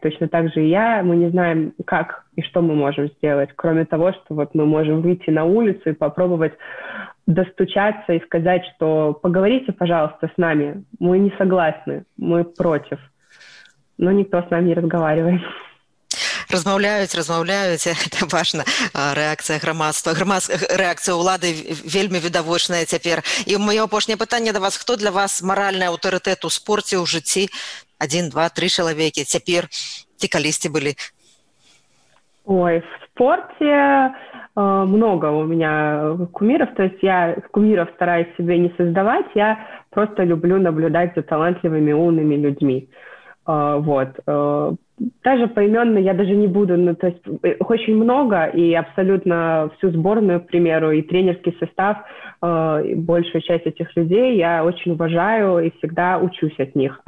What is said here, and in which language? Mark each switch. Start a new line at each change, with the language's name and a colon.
Russian: Точно так же и я, мы не знаем, как и что мы можем сделать, кроме того, что вот мы можем выйти на улицу и попробовать достучаться и сказать, что поговорите, пожалуйста, с нами, мы не согласны, мы против. Но никто с нами не разговаривает.
Belarusian: Размовляюць,
Russian: это
Belarusian: важна рэакцыя грамадства. Рэакцыя ўлады вельмі відавочная цяпер. І маё апошняе пытанне да вас, хто для вас маральны аўтарытэт у спорце, ў жыцці? Адзін, два, тры чалавекі цяпер ці калісьці былі?
Russian: Ой, в спорце много у меня кумиров, то есть я кумиров стараюсь себе не создавать, я просто люблю наблюдать за талантливыми, умными людьми. Вот. Даже поименно я даже не буду, ну, то есть очень много, и абсолютно всю сборную, к примеру, и тренерский состав, и большую часть этих людей я очень уважаю и всегда учусь от них.